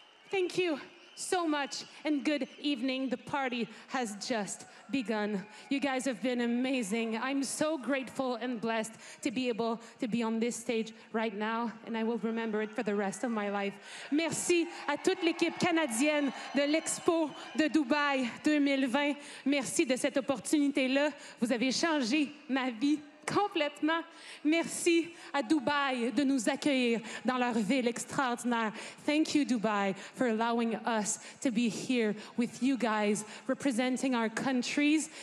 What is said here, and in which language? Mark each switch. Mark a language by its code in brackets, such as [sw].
[en] Thank you so much, and good evening. The party has just begun. You guys have been amazing. I'm so grateful and blessed to be able to be on this stage right now, and I will remember it for the rest of my life. [fr] Merci à toute l'équipe canadienne de l'Expo de Dubaï 2020. Merci de cette opportunité-là. Vous avez changé ma vie. complètement. Merci à Dubaï de nous accueillir dans leur ville extraordinaire. [en] Thank you, Dubai, for allowing us to be here with you guys, representing our countries.